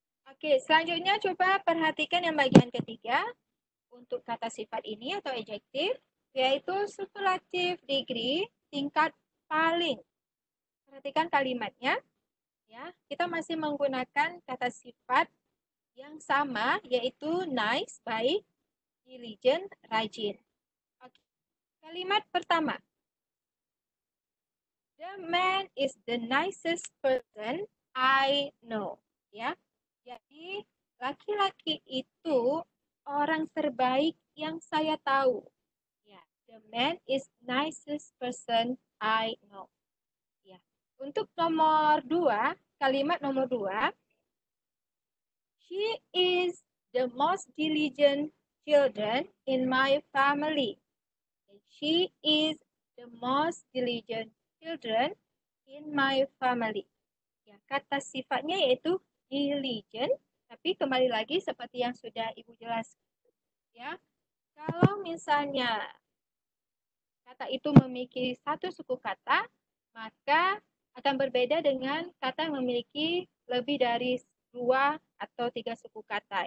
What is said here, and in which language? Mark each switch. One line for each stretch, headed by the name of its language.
Indonesian: Oke, selanjutnya coba perhatikan yang bagian ketiga. untuk kata sifat ini atau adjektif, yaitu superlative degree, tingkat paling. Perhatikan kalimatnya, ya. Kita masih menggunakan kata sifat yang sama, yaitu nice, baik, diligent, rajin. Oke. Kalimat pertama.
English: The man is the nicest person I know.
Indonesian: Ya. Jadi, laki-laki itu orang terbaik yang saya tahu. Ya.
English: The man is nicest person I know. Ya.
Indonesian: Untuk nomor dua, kalimat nomor dua.
English: She is the most diligent children in my family. She is the most diligent children in my family.
Indonesian: Ya, kata sifatnya yaitu diligent, tapi kembali lagi seperti yang sudah Ibu jelaskan. Ya, kalau misalnya kata itu memiliki satu suku kata, maka akan berbeda dengan kata yang memiliki lebih dari dua atau tiga suku kata.